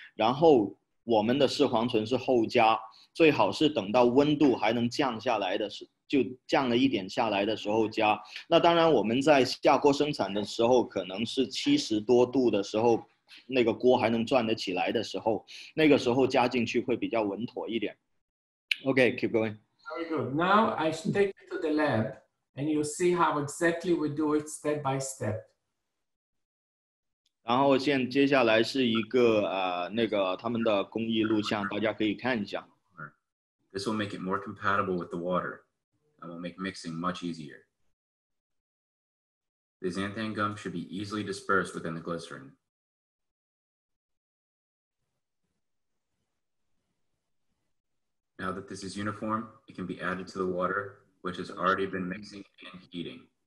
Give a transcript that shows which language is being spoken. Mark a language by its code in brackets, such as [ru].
[zh] 然后我们的视黄醇是后加，最好是等到温度还能降下来的时候，就降了一点下来的时候加。那当然我们在下锅生产的时候可能是70多度的时候，那个锅还能转得起来的时候，那个时候加进去会比较稳妥一点。 [en] OK, keep going. Very good. Now I should take you to the lab and you see how exactly we do it step by step. [zh] 然后现接下来是一个那个他们的工艺录像，大家可以看一下。 [en] This will make it more compatible with the water and will make mixing much easier. The xanthan gum should be easily dispersed within the glycerin. Now that this is uniform, it can be added to the water, which has already been mixing and heating.